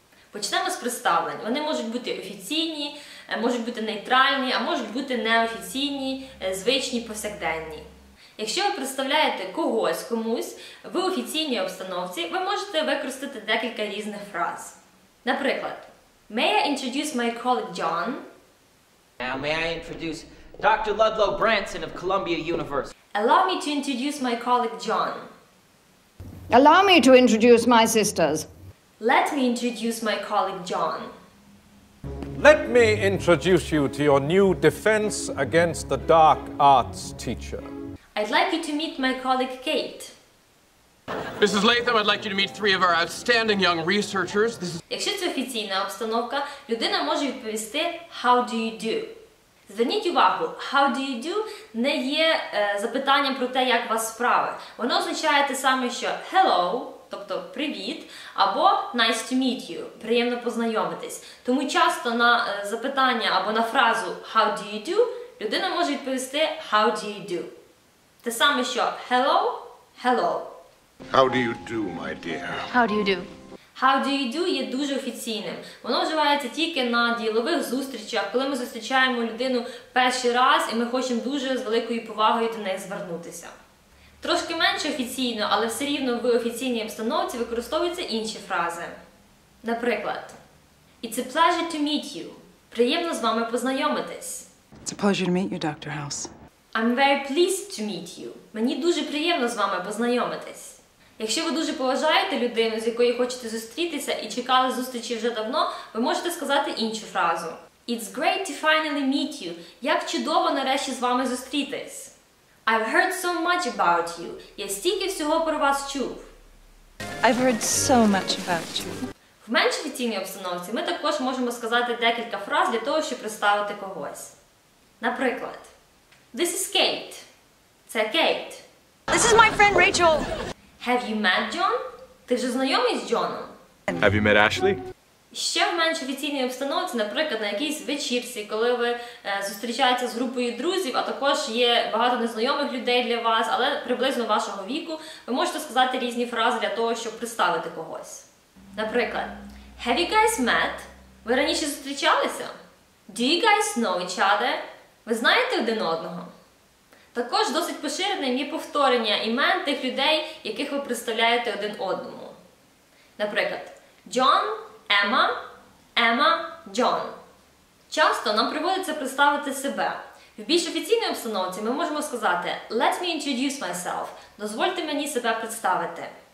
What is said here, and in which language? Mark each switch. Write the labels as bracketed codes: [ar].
[uk] Почнемо з представлень. Вони можуть бути офіційні, можуть бути нейтральні, а можуть бути неофіційні, звичні, повсякденні. Якщо ви представляєте когось комусь в офіційній обстановці, ви можете використати декілька різних фраз. [en] Наприклад, May I introduce my colleague John? Now, may I introduce Dr. Ludlow Branson of Columbia University? Allow me to introduce my colleague John. Allow me to introduce my sisters. Let me introduce my colleague John. Let me introduce you to your new defense against the dark arts teacher. I'd like you to meet my colleague Kate. Mrs. Latham, I'd like you to meet three of our outstanding young researchers. [uk] Якщо це офіційна обстановка, людина може відповісти [en] how do you do? [uk] Зверніть увагу, [en] how do you do [uk] не є запитанням про те, як у вас справи. Воно означає те саме, що hello, тобто привіт, або [en] nice to meet you, [uk] приємно познайомитись. Тому часто на запитання або на фразу [en] how do? [uk] Людина може відповісти [en] how do? [uk] Те саме, що [en] hello, hello. How do you do, my dear? How do you do? How do you do [uk] є дуже офіційним. Воно вживається тільки на ділових зустрічах, коли ми зустрічаємо людину перший раз і ми хочемо дуже з великою повагою до неї звернутися. Трошки менше офіційно, але все рівно в офіційній обстановці використовуються інші фрази. [en] Наприклад, It's a pleasure to meet you. [uk] Приємно з вами познайомитись. [en] It's a pleasure to meet you, Dr. House. I'm very pleased to meet you. [uk] Мені дуже приємно з вами познайомитись. Якщо ви дуже поважаєте людину, з якою хочете зустрітися і чекали зустрічі вже давно, ви можете сказати іншу фразу. [en] It's great to finally meet you. [uk] Як чудово нарешті з вами зустрітись. [en] I've heard so much about you. [uk] Я стільки всього про вас чув. [en] I've heard so much about you. [uk] В менш офіційній обстановці ми також можемо сказати декілька фраз для того, щоб представити когось. [en] Наприклад. This is Kate. Це Kate. This is my friend Rachel. Have you met John? [uk] Ти вже знайомий з Джоном? [en] Have you met Ashley? [uk] Ще в менш офіційній обстановці, наприклад, на якійсь вечірці, коли ви зустрічаєтеся з групою друзів, а також є багато незнайомих людей для вас, але приблизно вашого віку, ви можете сказати різні фрази для того, щоб представити когось. [en] Наприклад, Have you guys met? [uk] Ви раніше зустрічалися? [en] Do you guys know each other? [uk] Ви знаєте один одного? Також досить поширеним є повторення імен тих людей, яких ви представляєте один одному. Наприклад, John, Emma, Emma, John. Часто нам приводиться представити себе. В більш офіційній обстановці ми можемо сказати [en] Let me introduce myself. [uk] Дозвольте мені себе представити.